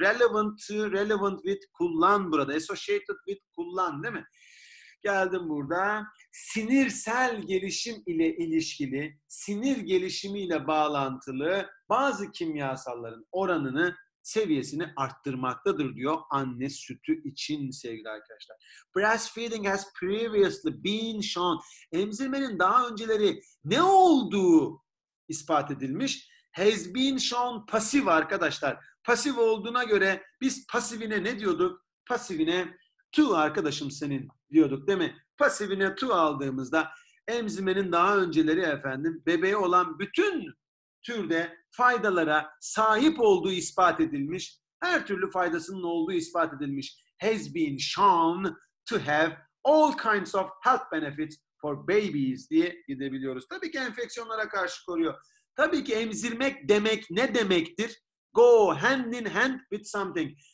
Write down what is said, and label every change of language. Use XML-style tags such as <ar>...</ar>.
<en>Relevant to, relevant with,</en> <tr>kullan burada.</tr> <en>Associated with,</en> <tr>kullan, değil mi? Geldim burada. Sinirsel gelişim ile ilişkili, sinir gelişimiyle bağlantılı bazı kimyasalların oranını, seviyesini arttırmaktadır diyor anne sütü için sevgili arkadaşlar.</tr> <en>Breastfeeding has previously been shown.</en> <tr>Emzirmenin daha önceleri ne olduğu ispat edilmiş.</tr> <en>Has been shown</en> <tr>pasif arkadaşlar. Pasif olduğuna göre biz pasifine ne diyorduk? Pasifine to arkadaşım senin diyorduk, değil mi? Pasifine to aldığımızda emzirmenin daha önceleri efendim bebeğe olan bütün türde faydalara sahip olduğu ispat edilmiş. Her türlü faydasının olduğu ispat edilmiş.</tr> <en>Has been shown to have all kinds of health benefits for babies</en> <tr>diye gidebiliyoruz. Tabii ki enfeksiyonlara karşı koruyor. Tabii ki emzirmek demek ne demektir?</tr> <en>Go hand in hand with something.</en>